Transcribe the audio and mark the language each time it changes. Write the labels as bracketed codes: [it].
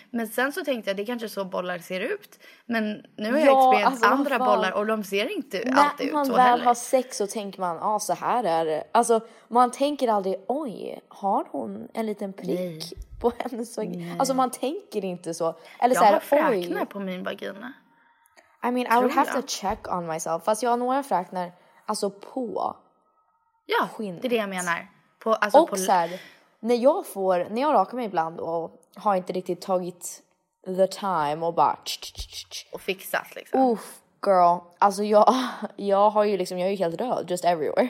[sv] Men sen så tänkte jag, det kanske så bollar ser ut. Men nu har jag experimenterat alltså, andra bollar och de ser inte när alltid ut så heller. När man väl har sex så tänker man, ah, så här är det. Alltså man tänker aldrig, oj, har hon en liten prick på hennes vagina? Alltså man tänker inte så. Eller jag så här, har fräknar på min vagina. [en] I mean, tror I would have to check on myself. [sv] Fast jag har några fräknar, alltså på ja, skinnet. Det är det jag menar. På, alltså och på så här, när jag rakar mig ibland och har inte riktigt tagit [en] the time [sv] och bara... Och fixat liksom. [en] Oof, girl. [sv] Alltså jag har ju liksom, jag är ju helt röd, [en] just everywhere.